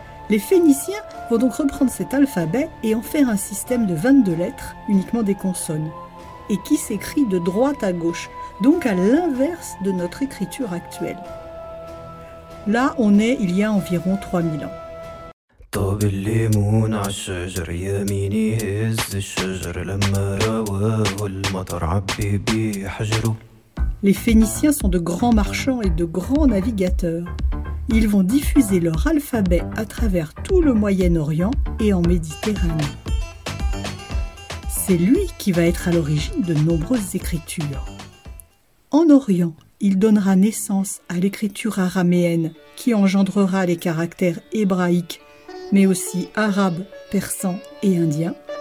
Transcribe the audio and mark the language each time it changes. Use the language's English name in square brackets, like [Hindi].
[French] Les Phéniciens vont donc reprendre cet alphabet et en faire un système de 22 lettres, uniquement des consonnes, et qui s'écrit de droite à gauche, donc à l'inverse de notre écriture actuelle. Là, on est il y a environ 3000 ans. [Arabic] طاب الليمون عالشجر يميني هز الشجر لما رواه المطر عبي بحجره. [French] Les Phéniciens sont de grands marchands et de grands navigateurs. Ils vont diffuser leur alphabet à travers tout le Moyen-Orient et en Méditerranée. C'est lui qui va être à l'origine de nombreuses écritures. En Orient, il donnera naissance à l'écriture araméenne qui engendrera les caractères hébraïques, mais aussi arabe, persan et indien.